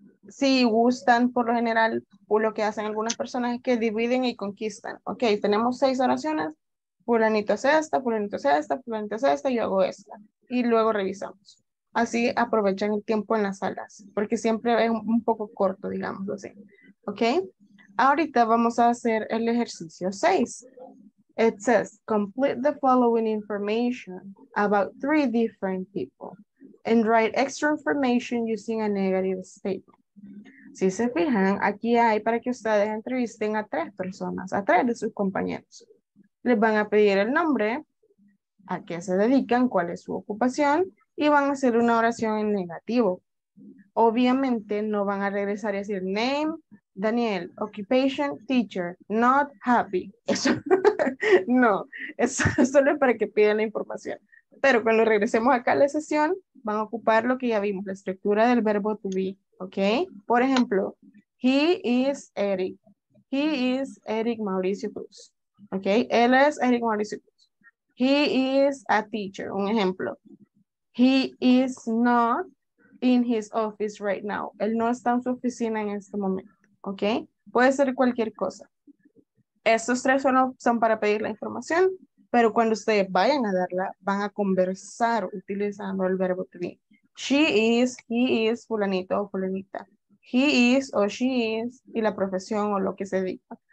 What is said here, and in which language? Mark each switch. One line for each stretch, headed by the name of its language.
Spanish: Si gustan, por lo general, lo que hacen algunas personas es que dividen y conquistan, ¿ok? Tenemos 6 oraciones. Fulanito hace esta, fulanito hace esta, fulanito hace esta, yo hago esta. Y luego revisamos. así aprovechan el tiempo en las salas, porque siempre es un poco corto, digámoslo así. Ok, ahorita vamos a hacer el ejercicio 6.
English: It says, complete the following information about three different people and write extra information using a negative statement.
Spanish: Si se fijan, aquí hay para que ustedes entrevisten a tres personas, a tres de sus compañeros. Les van a pedir el nombre, a qué se dedican, cuál es su ocupación, y van a hacer una oración en negativo. Obviamente no van a regresar y decir name, Daniel, occupation, teacher, not happy. Eso, no, eso solo es para que pidan la información. Pero cuando regresemos acá a la sesión, van a ocupar lo que ya vimos, la estructura del verbo to be, ¿ok?
English: Por ejemplo, he is Eric. He is Eric Mauricio Cruz, ¿ok?
Spanish: Él es Eric Mauricio Cruz. He is a teacher, un ejemplo.
English: He is not in his office right now.
Spanish: Él no está en su oficina en este momento. ¿Ok? Puede ser cualquier cosa. Estos tres son para pedir la información, pero cuando ustedes vayan a darla, van a conversar utilizando el verbo to be. She is, he is, fulanito o fulanita. He is o she is, y la profesión o lo que se diga.